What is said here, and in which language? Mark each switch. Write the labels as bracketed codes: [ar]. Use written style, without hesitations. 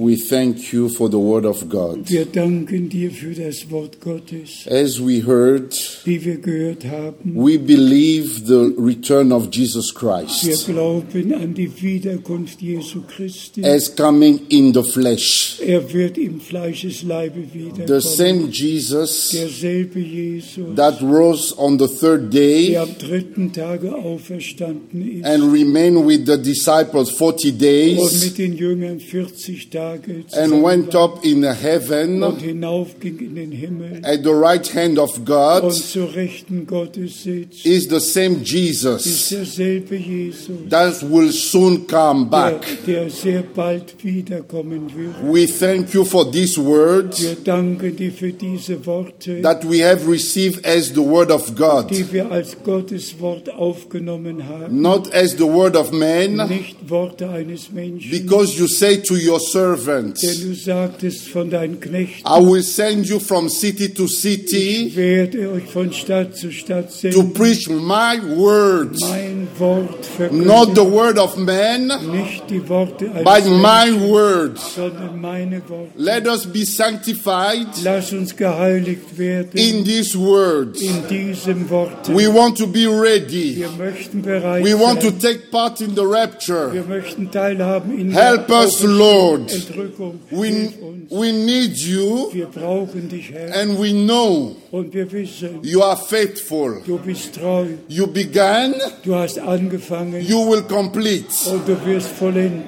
[en] we thank you for the Word of God. [de] Wir danken dir für das Wort Gottes. [en] As we heard, [de] wie wir gehört haben, [en] we believe the return of Jesus Christ. [de] Wir glauben an die Wiederkunft Jesu Christi. [en] As coming in the flesh. [de] Er wird im Fleischesleibe wiederkommen. [en] The same Jesus, [de] derselbe Jesus, [en] that rose on the third day, [de] der am dritten Tage auferstanden ist, [en] and remained with the disciples 40 days [de] und mit den Jüngern 40 Tage [en] and went up in the heaven [de] und hinaufging in den Himmel [en] at the right hand of God [de] und zur Rechten Gottes sitzt, [en] is the same Jesus, [de] ist derselbe Jesus [en] that will soon come back. [de] Der sehr bald wiederkommen wird. [en] We thank you for these words, [de] wir danken dir für diese Worte, [en] that we have received as the word of God, [de] die wir als Gottes Wort aufgenommen haben, [en] not as the word of man, [de] nicht Worte eines Menschen, [en] because you say to your servant, [de] denn du sagtest von deinen Knechten, [en] I will send you from city to city, [de] ich werde euch von Stadt zu Stadt senden, [en] to preach my words, [de] mein Wort verkündigen, [en] not the word of man, [de] nicht die Worte eines Menschen, [en] but my words, [de] sondern meine Worte. [en] Let us be sanctified, [de] lass uns geheiligt werden, [en] in these words, [de] in diesem Wort. [en] We want to be ready, [de] wir möchten bereit sein, [en] we want to take part in the rapture. [de] Wir möchten teilhaben in der [en] Help us, Lord. [de] Entrückung. [en] We need you. [de] Wir brauchen dich, Herr. [en] And we know. [de] Und wir wissen. [en] You are faithful. [de] Du bist treu. [en] You began. [de] Du hast angefangen. [en] You will complete. [de] Und du wirst vollenden.